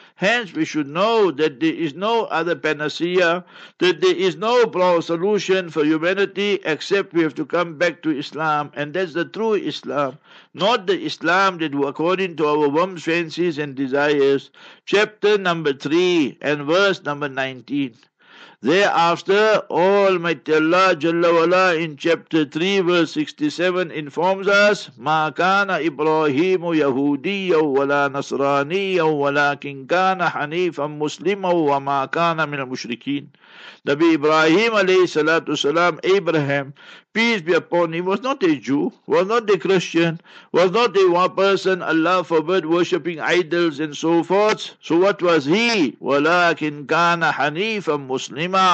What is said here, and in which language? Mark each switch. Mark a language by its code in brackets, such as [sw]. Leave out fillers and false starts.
[en] Hence we should know that there is no other panacea, that there is no solution for humanity except we have to come back to Islam, and that's the true Islam, not the Islam that we according to our warm fancies and desires. Chapter number 3 and verse number 19. Thereafter, Almighty Allah Jalla Wala in chapter 3 verse 67 informs us, [ar] مَا كَانَ إِبْرَاهِيمُ يَهُودِيًّا وَلَا نَصْرَانِيًّا وَلَكِنْ كَانَ حَنِيفًا مُسْلِمًا وَمَا كَانَ مِنَ الْمُشْرِكِينَ. [en] Nabi Ibrahim alayhi salatu salam, Abraham, peace be upon him, was not a Jew, was not a Christian, was not a one person, Allah forbid, worshipping idols and so forth. So what was he? [ar] وَلَكِنْ كَانَ حَنِيفًا مُسْلِمًا.